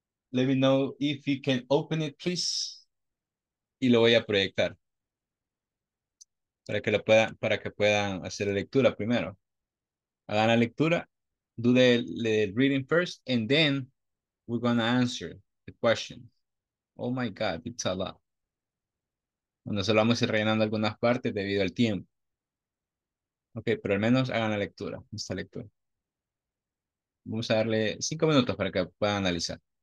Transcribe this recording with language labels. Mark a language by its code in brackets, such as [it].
[en] Let me know if you can open it, please. [es] Y lo voy a proyectar. Para que lo puedan, para que puedan hacer la lectura primero. Hagan la lectura. [en] Do the reading first. And then we're going to answer the question. Oh my God, it's a lot. [es] Bueno, solo vamos a ir rellenando algunas partes debido al tiempo. Ok, pero al menos hagan la lectura, esta lectura. Vamos a darle 5 minutos para que puedan analizar.